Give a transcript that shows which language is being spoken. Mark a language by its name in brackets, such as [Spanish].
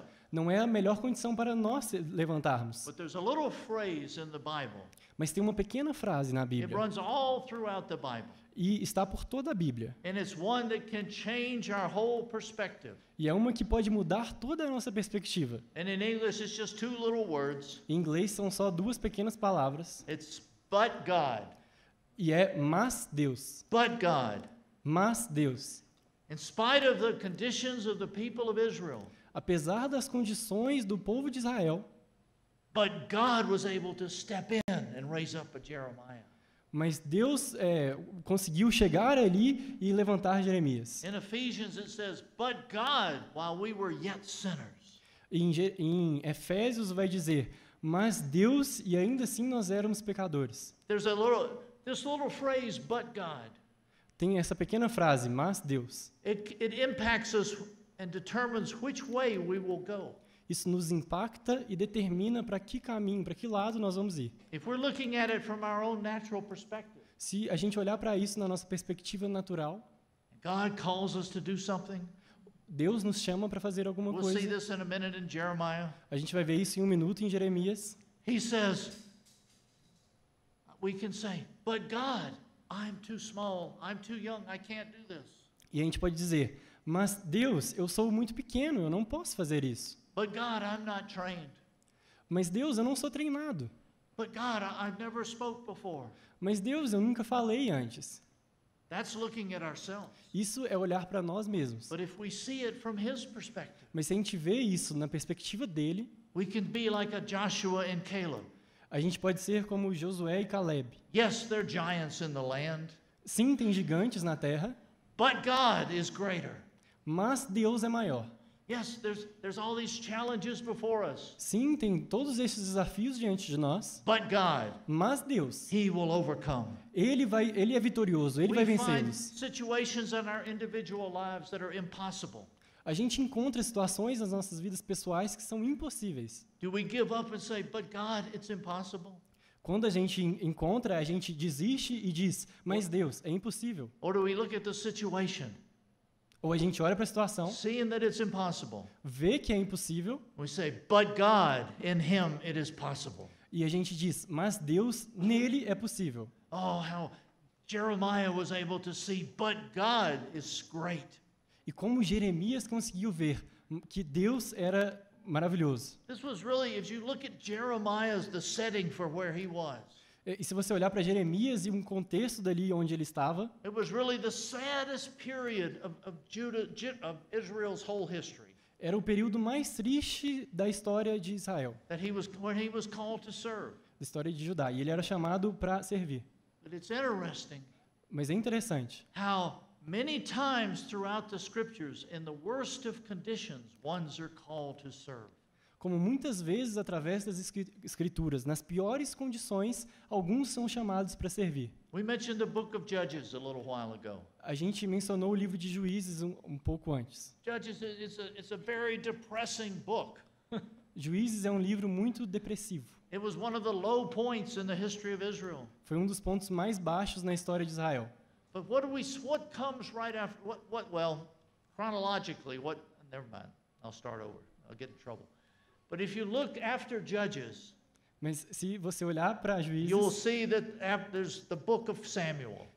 [Portuguese] Não é a melhor condição para nós levantarmos. [English] But there's a little phrase in the Bible. [Portuguese] Mas tem uma pequena frase na Bíblia. [English] It runs all throughout the Bible. [Portuguese] E está por toda a Bíblia. [English] And it's one that can change our whole perspective. [Portuguese] E é uma que pode mudar toda a nossa perspectiva. [English] And in English it's just two little words. [Portuguese] Em inglês são só duas pequenas palavras. [English] It's but God. [Portuguese] E é mas Deus. [English] But God. [Portuguese] Mas Deus. [English] In spite of the conditions of the people of Israel. [Portuguese] Apesar das condições do povo de Israel. [English] But God was able to step in and raise up a Jeremiah. [Portuguese] Mas Deus conseguiu chegar ali e levantar Jeremias. [English] In Ephesians it says, but God, while we were yet sinners. [Portuguese] Em Efésios vai dizer, mas Deus e ainda assim nós éramos pecadores. [English] There's a little, this little phrase, but God. [Portuguese] Tem essa pequena frase, mas Deus. [English] It impacts us and determines which way we will go. [Portuguese] Isso nos impacta e determina para que caminho, para que lado nós vamos ir. [English] If we're looking at it from our own natural perspective, [Portuguese] se a gente olhar para isso na nossa perspectiva natural, [English] God calls us to do something, [Portuguese] Deus nos chama para fazer alguma [English] we'll [Portuguese] coisa. [English] See this in a minute in Jeremiah. [Portuguese] A gente vai ver isso em um minuto em Jeremias. [English] He says, we can say, but God, I'm too small, I'm too young, I can't do this. [Portuguese] E a gente pode dizer, mas Deus, eu sou muito pequeno, eu não posso fazer isso. [English] But God, I'm not trained. [Portuguese] Mas Deus, eu não sou treinado. [English] But God, I've never spoke before. [Portuguese] Mas Deus, eu nunca falei antes. [English] That's looking at ourselves. [Portuguese] Isso é olhar para nós mesmos. [English] But if we see it from his perspective, [Portuguese] mas se a gente vê isso na perspectiva dele, [English] we can be like a Joshua and Caleb. [Portuguese] A gente pode ser como Josué e Caleb. [English] Yes, there are giants in the land. [Portuguese] Sim, tem gigantes na terra. [English] But God is greater. [Portuguese] Mas Deus é maior. [English] Yes, there's all these challenges before us. [Portuguese] Sim, tem todos esses desafios diante de nós. [English] But God, [Portuguese] mas Deus, [English] he will overcome. [Portuguese] Ele é vitorioso, ele [English] we [Portuguese] vai vencê-los. [English] Situations in our individual lives that are impossible. [Portuguese] A gente encontra situações nas nossas vidas pessoais que são impossíveis. [English] Do we give up and say, but God, it's impossible? [Portuguese] Quando a gente encontra, a gente desiste e diz, mas Deus, é impossível. [English] Or do we look at the situation? [Portuguese] Ou a gente olha para a situação, [English] seeing that it's impossible, [Portuguese] vê que é impossível, [English] we say, but God, in him, it is possible. [Portuguese] E a gente diz, mas Deus, nele é possível. [English] Oh, how Jeremiah was able to see, but God is great. [Portuguese] E como Jeremias conseguiu ver que Deus era maravilhoso. [English] This was really, if you look at Jeremiah's, the setting for where he was. [Portuguese] E se você olhar para Jeremias e um contexto dali onde ele estava, [English] it was really the saddest period of Judah, of Israel's whole history. [Portuguese] Era o período mais triste da história de Israel. [English] That he was, when he was called to serve. [Portuguese] Da história de Judá. E ele era chamado para servir. [English] But it's interesting. [Portuguese] Mas é interessante. [English] How many times throughout the scriptures, in the worst of conditions, ones are called to serve. [Portuguese] Como muitas vezes, através das escrituras, nas piores condições, alguns são chamados para servir. [English] We mentioned the book of Judges a little while ago. [Portuguese] A gente mencionou o livro de Juízes um pouco antes. [English] Judges is it's a very depressing book. [Portuguese] Juízes é um livro muito depressivo. [English] It was one of the low points in the history of Israel. [Portuguese] Foi um dos pontos mais baixos na história de Israel. [English] But what comes right after, what well, chronologically, what, never mind, I'll start over, I'll get in trouble. But if you look after Judges, [Portuguese] mas se você olhar para Juízes, [English] you'll see that there's the book of Samuel.